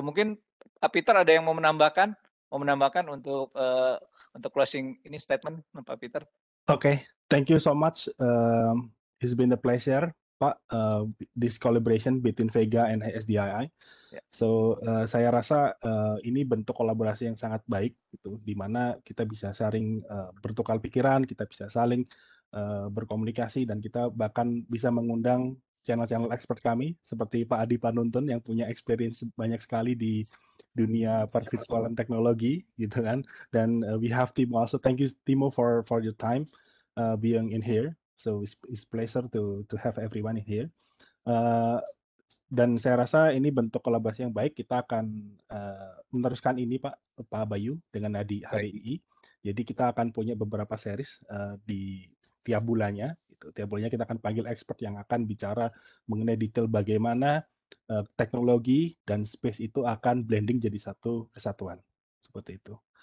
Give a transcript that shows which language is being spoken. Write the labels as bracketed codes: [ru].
[id] Mungkin Pak Peter ada yang mau menambahkan untuk closing ini statement Pak Peter. [en] Oke, thank you so much. It's been a pleasure, Pak, this collaboration between Vega and SDII. Yeah. [id] So saya rasa ini bentuk kolaborasi yang sangat baik gitu, di mana kita bisa saling bertukar pikiran, kita bisa saling berkomunikasi, dan kita bahkan bisa mengundang channel-channel expert kami seperti Pak Adi Panuntun yang punya experience banyak sekali di dunia pervirtualan teknologi gitu kan. [en] Dan we have Timo also. Thank you Timo for your time being in here. So it's pleasure to have everyone in here. [id] Dan saya rasa ini bentuk kolaborasi yang baik. Kita akan meneruskan ini Pak Bayu dengan Adi HII. Jadi kita akan punya beberapa series di tiap bulannya. Gitu. Tiap bulannya kita akan panggil expert yang akan bicara mengenai detail bagaimana teknologi dan space itu akan blending jadi satu kesatuan. Seperti itu.